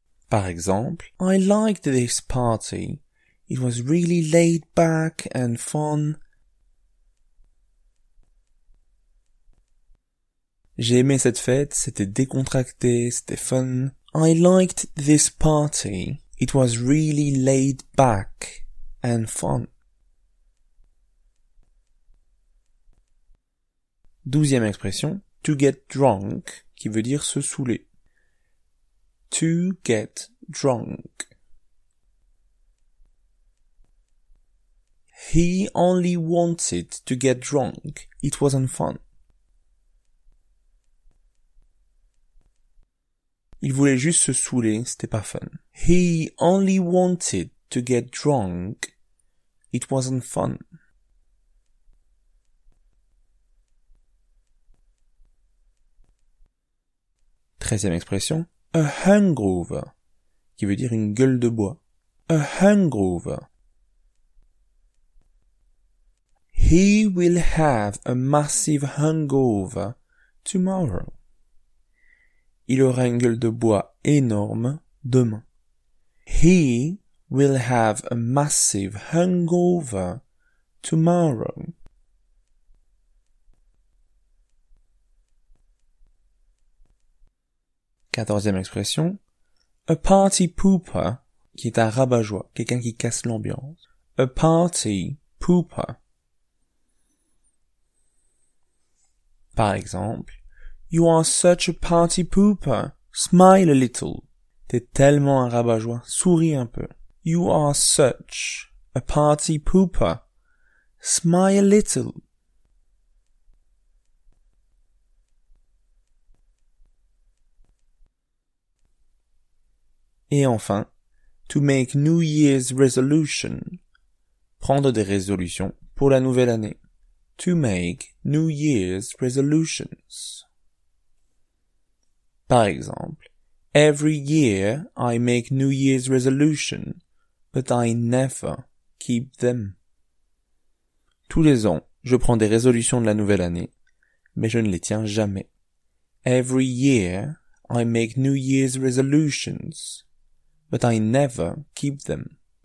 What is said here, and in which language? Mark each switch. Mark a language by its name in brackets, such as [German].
[French] Par exemple, [English] I liked this party. It was really laid back and fun. [French] J'ai aimé cette fête, c'était décontracté, c'était fun. [English] I liked this party. It was really laid back and fun. [French] Douzième expression, to get drunk, qui veut dire se saouler. [English] To get drunk. He only wanted to get drunk. It wasn't fun. [French] Il voulait juste se saouler, c'était pas fun. [English] He only wanted to get drunk. It wasn't fun. [French] Treizième expression. A hangover, qui veut dire une gueule de bois. [English] A hangover. He will have a massive hangover tomorrow. [French] Il aura une gueule de bois énorme demain. [English] He will have a massive hangover tomorrow. [French] Quatorzième expression, a party pooper, qui est un rabat-joie, quelqu'un qui casse l'ambiance. [English] A party pooper. [French] Par exemple, [English] you are such a party pooper, smile a little. [French] T'es tellement un rabat-joie, souris un peu. [English] You are such a party pooper, smile a little. [French] Et enfin, to make New Year's resolution, prendre des résolutions pour la nouvelle année. [English] To make New Year's resolutions. [French] Par exemple, [English] every year I make New Year's resolution, but I never keep them. [French] Tous les ans, je prends des résolutions de la nouvelle année, mais je ne les tiens jamais. [English] Every year, I make New Year's resolutions, but I never keep them.